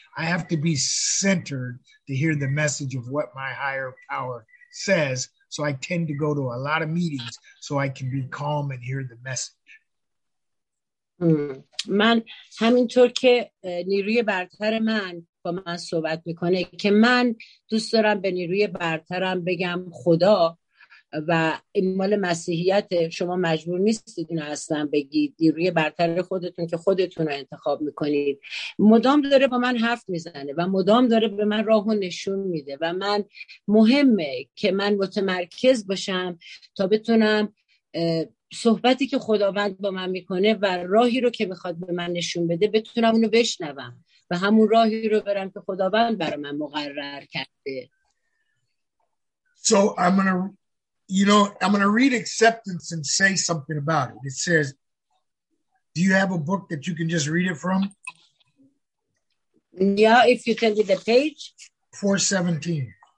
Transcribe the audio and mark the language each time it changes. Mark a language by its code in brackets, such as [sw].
[en] I have to be centered to hear the message of what my higher power says. So I tend to go to a lot of meetings so I can be calm and hear the message. [fa] من همینطور که نیروی برتر من با من صحبت میکنه که من دوست دارم به نیروی برترم بگم خدا و امال مسیحیت، شما مجبور نیستید اینو اصلا بگید، روی برتر خودتون که خودتون رو انتخاب میکنید، مدام داره با من حرف میزنه و مدام داره به من راهو نشون میده و من مهمه که من متمرکز باشم تا بتونم صحبتی که خداوند با من میکنه و راهی رو که میخواد به من نشون بده بتونم اونو بشنوم و همون راهی رو برم که خداوند برای من مقرر کرده. [en] So I'm gonna you know, I'm going to read acceptance and say something about it. It says, do you have a book that you can just read it from? Yeah, if you can get the page. 417.